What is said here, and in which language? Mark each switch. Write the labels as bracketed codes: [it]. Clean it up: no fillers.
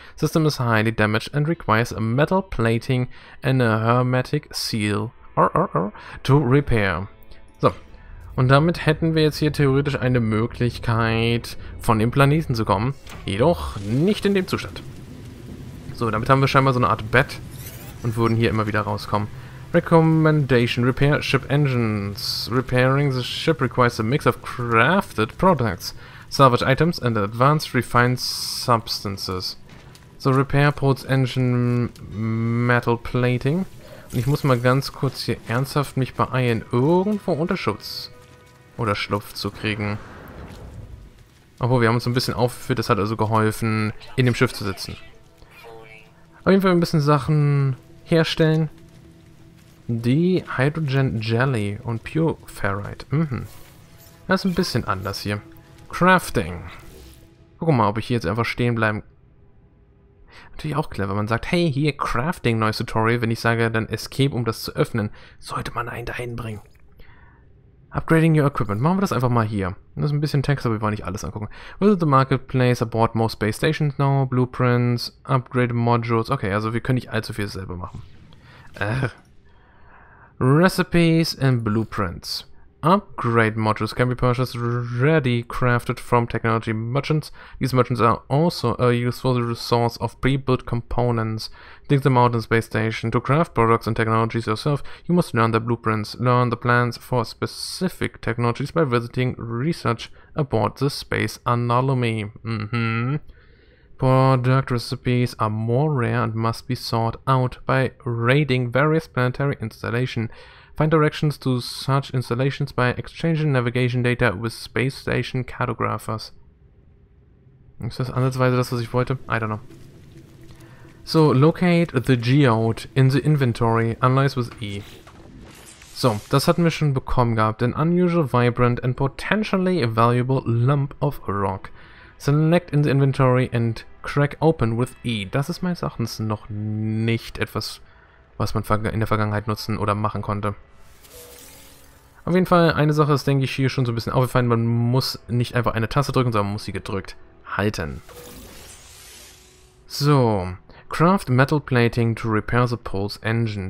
[en] System is highly damaged and requires a metal plating and a hermetic seal. To repair. [de] So, und damit hätten wir jetzt hier theoretisch eine Möglichkeit, von dem Planeten zu kommen. Jedoch nicht in dem Zustand. So, damit haben wir scheinbar so eine Art Bett und würden hier immer wieder rauskommen. [en] Recommendation, repair ship engines. Repairing the ship requires a mix of crafted products, salvage items and advanced refined substances. So, repair ports engine metal plating. [de] Ich muss mal ganz kurz hier ernsthaft mich beeilen, irgendwo Unterschutz oder Schlupf zu kriegen. Obwohl, wir haben uns ein bisschen aufgeführt, das hat also geholfen, in dem Schiff zu sitzen. Auf jeden Fall ein bisschen Sachen herstellen. Die Hydrogen Jelly und Pure Ferrite. Mhm. Das ist ein bisschen anders hier. Crafting. Guck mal, ob ich hier jetzt einfach stehen bleiben kann. Natürlich auch clever, man sagt, hey, hier, Crafting, neues Tutorial. Wenn ich sage, dann Escape, um das zu öffnen, sollte man einen dahin bringen. [en] Upgrading your equipment. [de] Machen wir das einfach mal hier. Das ist ein bisschen Text, aber wir wollen nicht alles angucken. [en] Visit the marketplace aboard most space stations now. Blueprints, upgrade modules. [de] Okay, also wir können nicht allzu viel selber machen. [en] Recipes and blueprints. Upgrade modules can be purchased ready crafted from technology merchants. These merchants are also a useful resource of pre-built components. Dig them out in space station. To craft products and technologies yourself, you must learn the blueprints. Learn the plans for specific technologies by visiting research aboard the space anomaly. Product recipes are more rare and must be sought out by raiding various planetary installations. Find directions to such installations by exchanging navigation data with space station cartographers. [de] Ist das ansatzweise das, was ich wollte? [en] I don't know. So, locate the geode in the inventory. Analyze with E. [de] So, das hatten wir schon bekommen gehabt. [en] An unusual, vibrant and potentially valuable lump of rock. Select in the inventory and Crack Open with E. [de] Das ist meines Erachtens noch nicht etwas, was man in der Vergangenheit nutzen oder machen konnte. Auf jeden Fall, eine Sache ist, denke ich, hier schon so ein bisschen aufgefallen. Man muss nicht einfach eine Taste drücken, sondern man muss sie gedrückt halten. [en] So. Craft Metal Plating to repair the Pulse Engine.